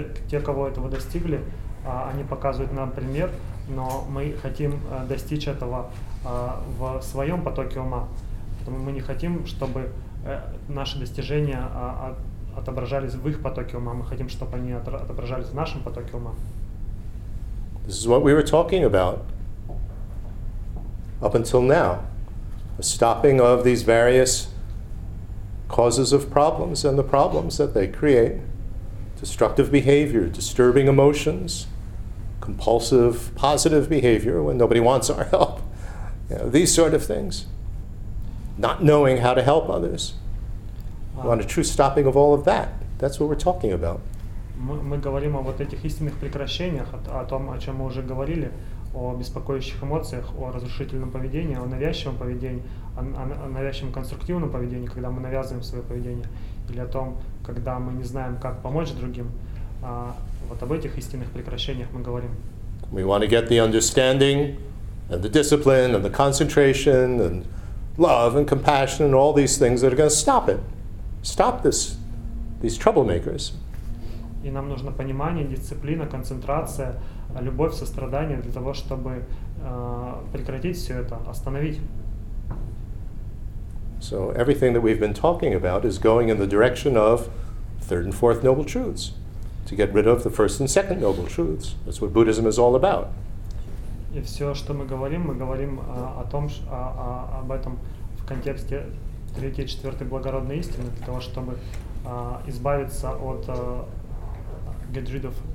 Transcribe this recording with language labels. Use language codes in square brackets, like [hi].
[ru] Те, кого этого достигли, они показывают нам пример, но мы хотим достичь этого в своем потоке ума. Поэтому мы не хотим, чтобы наши достижения отображались в их потоке ума. Мы хотим, чтобы они отображались в нашем потоке ума. [en] This is what we were talking about up until now, a stopping of these various causes of problems and the problems that they create, destructive behavior, disturbing emotions, compulsive, positive behavior when nobody wants our help, you know, these sort of things, not knowing how to help others. We want a true stopping of all of that. That's what we're talking about. [ru] Мы говорим о вот этих истинных прекращениях, о том, о чем мы уже говорили, о беспокоящих эмоциях, о разрушительном поведении, о навязчивом поведении, о навязчивом конструктивном поведении, когда мы навязываем свое поведение, или о том, когда мы не знаем, как помочь другим. Вот об этих истинных прекращениях мы говорим. [en] We want to get the understanding and the discipline and the concentration and love and compassion and all these things that are going to stop it. Stop this, these troublemakers. [ru] И нам нужно понимание, дисциплина, концентрация, любовь, сострадание для того, чтобы прекратить все это, остановить. [en] So everything that we've been talking about is going in the direction of third and fourth noble truths, to get rid of the first and second noble truths. That's what Buddhism is all about. [ru] И все, что мы говорим о том, об этом в контексте третьей и четвертой благородной истины, для того, чтобы избавиться от [en] get rid of